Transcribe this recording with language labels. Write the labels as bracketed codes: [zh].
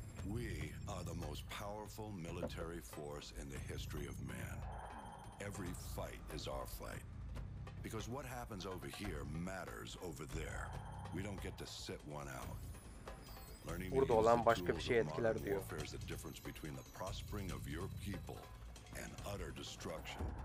[en] We are the most powerful military force in the history of man. Every fight is our fight. Because what happens over here matters over there. We don't get to sit one out. [tr] Learning burada olan başka bir şey etkiler diyor. [en] The difference between the prospering of your people and utter destruction.